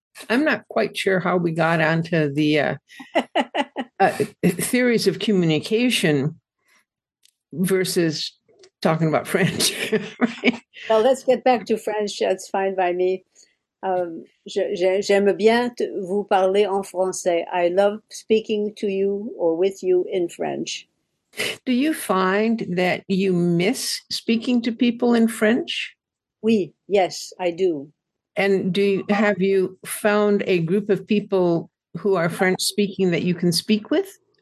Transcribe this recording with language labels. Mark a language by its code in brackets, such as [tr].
[en] I'm not quite sure how we got onto the theories of communication versus talking about friendship. Right? Well, let's get back to friendship. That's fine by me. [fr] J'aime bien vous parler en français. [en] I love speaking to you or with you in French. Do you find that you miss speaking to people in French? Oui, yes, I do. And have you found a group of people who are French speaking that you can speak with?